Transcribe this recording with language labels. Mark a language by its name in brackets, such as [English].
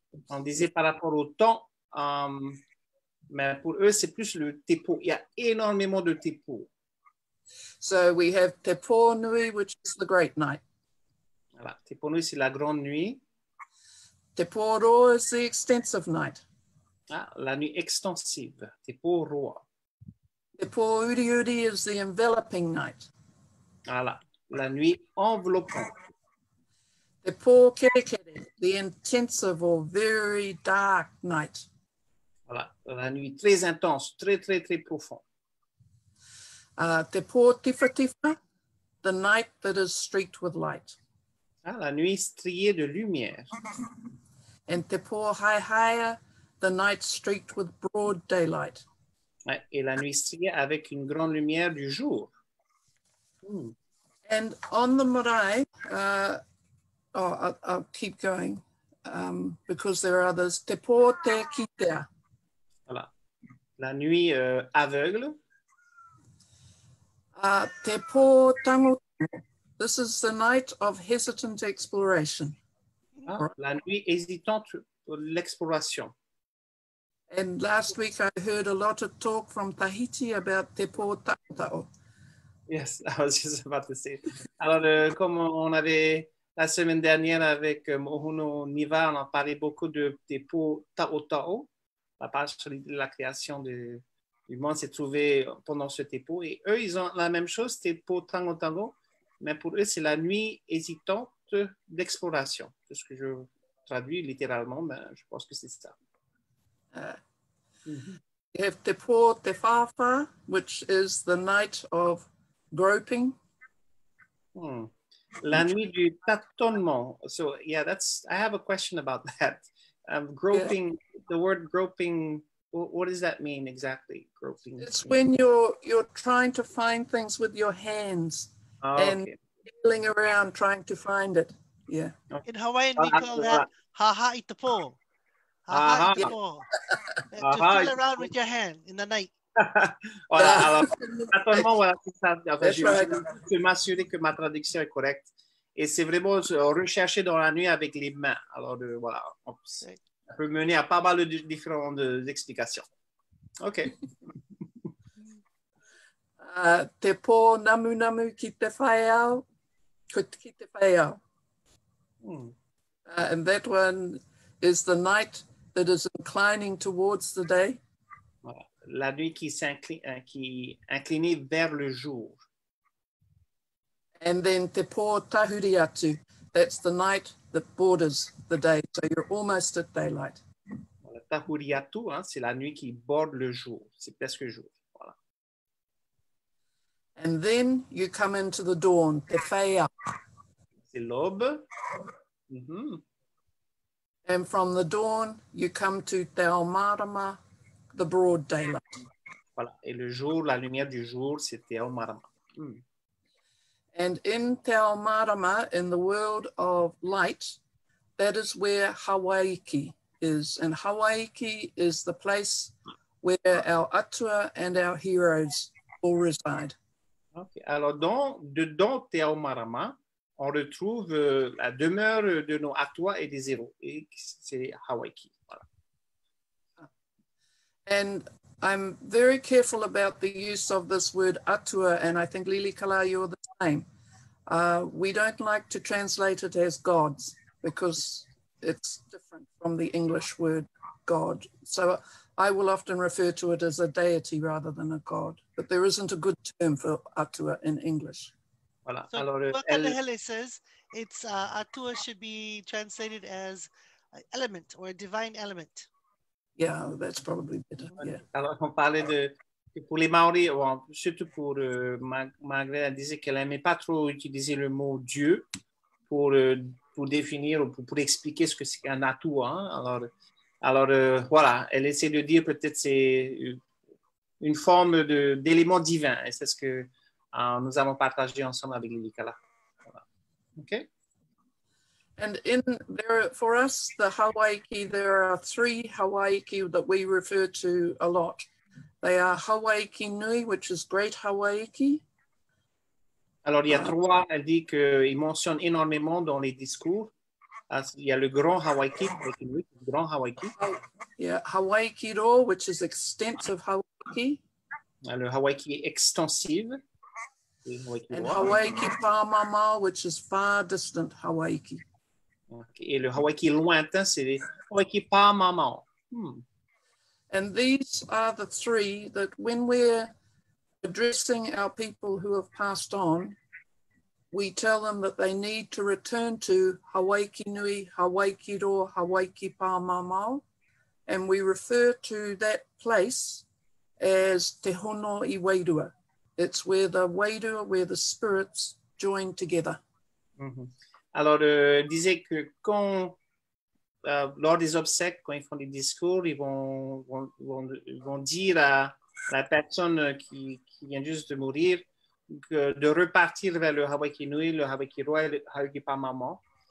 [French] On disait par rapport au temps, mais pour eux, c'est plus le tepo. Il y a énormément de tepo. [English] So we have tepo nui, which is the great night. [French] Voilà, tepo nui, c'est la grande nuit. [English] Tepo ro is the extensive night. [French] Ah, la nuit extensive, tepo ro. [English] Te po uri uri is the enveloping night. [French] Voilà, la nuit enveloppante. [English] Te po kere kere, the intensive or very dark night. [French] Voilà, la nuit très intense, très, très, très profonde. [English] Te po tifa tifa, the night that is streaked with light. [French] Ah, la nuit striée de lumière. [English] And te po hai haia, the night streaked with broad daylight. [French] Et la nuit striée avec une grande lumière du jour. Mm. [English] And on the marae, I'll keep going because there are others. [Māori] Te pō te kitea. [French] Voilà. La nuit aveugle. [English] Te pō tangotango. This is the night of hesitant exploration. [French] La nuit hésitante pour l'exploration. [English] And last week I heard a lot of talk from Tahiti about te pō tangotango. Yes, I was just about to say. [French] Alors, comme on avait la semaine dernière avec Mohuno Niva, on a parlé beaucoup de des pots Tao Tao. La page sur la création du monde s'est trouvée pendant ce tepo. Et eux, ils ont la même chose, c'était pour Tango Tango. Mais pour eux, c'est la nuit hésitante d'exploration. C'est ce que je traduis littéralement, mais je pense que c'est ça. [English] You have tepo te fafa, which is the night of groping. [French] La nuit du tâtonnement. [English] So yeah, that's, I have a question about that. Groping, yeah. The word groping, what does that mean exactly? Groping. It's when you're trying to find things with your hands and feeling around trying to find it. Yeah. Okay. In Hawaiian we call that haha itapo. Haha itapo. To feel around with your hand in the night. [French] Voilà, alors, tâtonnement, voilà, c'est ça. En fait, je m'assurer que ma traduction est correcte. Et c'est vraiment rechercher dans la nuit avec les mains. Alors, voilà, ça peut mener à pas mal de différentes explications. OK. [Māori] Te pō namu namu ki te whaiao, ki te whaiao. [English] And that one is the night that is inclining towards the day. [French] La nuit qui s'incline, qui incline vers le jour. [English] And then te pō tahuriatu. That's the night that borders the day. So you're almost at daylight. [French] Voilà, tahuriatu, hein, c'est la nuit qui borde le jour. C'est presque jour. Voilà. [English] And then you come into the dawn. Te whaia. [French] C'est l'aube. [English] And from the dawn, you come to te omarama. The broad daylight. [French] Voilà. Et le jour, la lumière du jour, c'était au marama. [English] And in te au marama, in the world of light, that is where Hawaiki is. And Hawaiki is the place where our atua and our heroes all reside. Okay. [French] Alors, dedans te au marama, on retrouve la demeure de nos atua et des héros. Et c'est Hawaiki. [English] And I'm very careful about the use of this word atua, and I think Lilikalā, you're the same. We don't like to translate it as gods because it's different from the English word god. So I will often refer to it as a deity rather than a god, but there isn't a good term for atua in English. [French] Voilà. [English] So [French] alors, [English] Kamakakūokalani says it's atua should be translated as element or a divine element. Yeah, that's probably better. Yeah. [French] Alors, on parlait de pour les Maoris, ou surtout pour Margaret, elle disait qu'elle n'aimait pas trop utiliser le mot Dieu pour définir ou pour expliquer ce que c'est qu'un atout. Hein. Alors, voilà, elle essaie de dire peut-être c'est une forme d'élément divin. Et c'est ce que nous avons partagé ensemble avec Lilikalā. Voilà. OK? [English] And in there, for us, the Hawaiki, there are three Hawaiki that we refer to a lot. They are Hawaiki Nui, which is Great Hawaiki. [French] Alors, il y a trois, elle dit qu'il mentionne énormément dans les discours. Il y a le Grand Hawaiki, Grand Hawaiki. [English] Yeah, Hawaiki Ro, which is extensive Hawaiki. [French] Le Hawaiki extensive. [English] And Hawaiki Pa Mama, which is far distant Hawaiki. Okay. [French] Et le Hawaiki lointain, c'est le Hawaiki pa mama. [English] And these are the three that when we're addressing our people who have passed on, we tell them that they need to return to Hawaiki Nui, Hawaiki Ro, Hawaiki pa mama. And we refer to that place as Te Hono I Wairua. It's where the Wairua, where the spirits join together. [French] Alors, disait que quand, lors des obsèques, quand ils font des discours, ils vont dire à la personne qui vient juste de mourir, de repartir vers le Hawaikinui, le Hawaikiroa et le Hawaikipamamo.